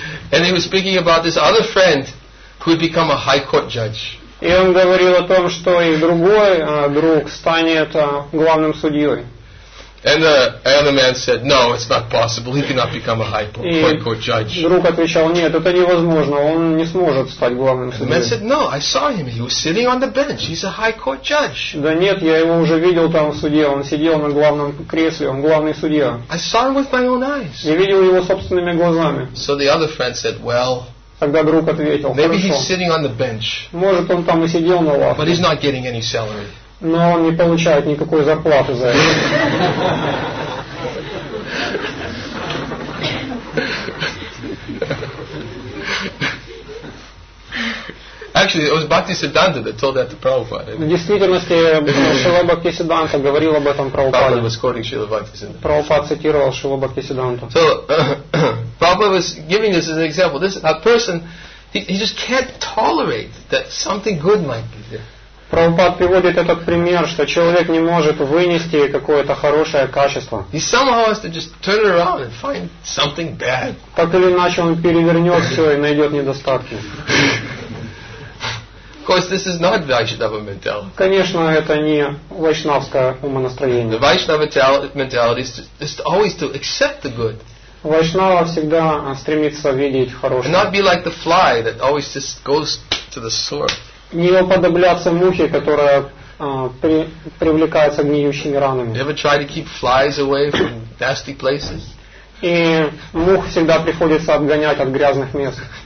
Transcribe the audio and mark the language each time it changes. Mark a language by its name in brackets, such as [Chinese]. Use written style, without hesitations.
[English] And he was speaking about this other friend who had become a high court judge. [Russian] И он говорил о том, что и другой друг станет главным судьей. [English] And the other man said, "No, it's not possible. He cannot become a high court judge." [Russian] И друг отвечал, "Нет, это невозможно. Он не сможет стать главным судьей." [English] And the man said, "No, I saw him. He was sitting on the bench. He's a high court judge." [Russian] Да нет, я его уже видел там в суде. Он сидел на главном кресле. Он главный судья. [English] I saw him with my own eyes. [Russian] Я видел его собственными глазами. [English] So the other friend said, "Well." [Russian] Тогда друг ответил, [English] Maybe [Russian] хорошо. [English] He's sitting on the bench. [Russian] Может, он там и сидел на лавке. [English] But he's not getting any salary. [Russian] Но он не получает никакой зарплаты за это. [English] Actually, it was Bhaktisiddhanta that told that to Prabhupada. [Russian] В действительности, Шрила Бхактисиддханта говорил об этом Прабхупаде. [English] Prabhupada was quoting Shrila Bhaktisiddhanta. [Russian] Прабхупад цитировал Шрилу Бхактисиддханту. [English] So, Prabhupada was giving this as an example. This a person, he just can't tolerate that something good might be there. [Russian] Прабхупад приводит этот пример, что человек не может вынести какое-то хорошее качество. [English] He somehow has to just turn around and find something bad. [Russian] Так или иначе, он перевернет все и найдет недостатки. [English] Of course, this is not Vaishnava mentality. [Russian] Конечно, это не вайшнавское умонастроение. [English] The Vaishnava mentality is always to accept the good. [Russian] Вайшнава всегда стремится видеть хорошее. [English] And not be like the fly that always just goes to the sword. [Russian] Не уподобляться мухе, которая привлекается гниющими ранами. [English] You ever try to keep flies away from nasty places? [Russian] И мух всегда приходится отгонять от грязных мест.